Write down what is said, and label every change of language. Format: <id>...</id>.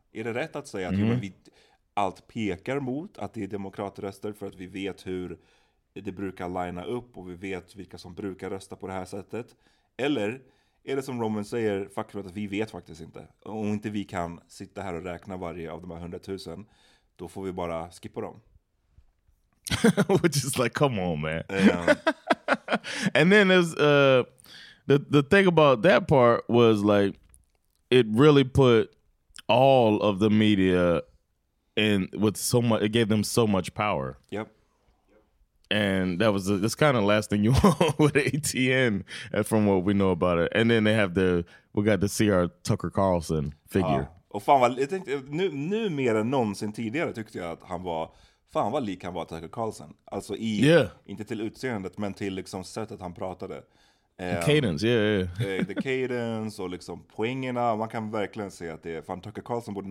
<sv>Är det rätt att säga att allt pekar mot att det är demokratröster, för att vi vet hur det brukar linea upp och vi vet vilka som brukar rösta på det här sättet? Eller är det som Roman säger, faktiskt att vi vet faktiskt inte. Om inte vi kan sitta här och räkna varje av de här 100 000, då får vi bara skippa dem.</sv> <en>Which is like, come on man. And then there's the thing about that part was like, it really put all of the media and with so much, it gave them so much power. Yep. And that was that's kind of the last thing you want with ATN, from what we know about it. And then they have we got to see our Tucker Carlson figure.</en> <sv>Ja. Och fan vad, jag tänkte, nu mer än någonsin tidigare tyckte jag att han var, fan vad lik han var Tucker Carlson. Alltså i, inte till utseendet, men till liksom sättet han pratade.</sv> <en>The cadence, the cadence</en> <sv>och liksom poängerna. Man kan verkligen se att det är, fan Tucker Carlson borde</sv>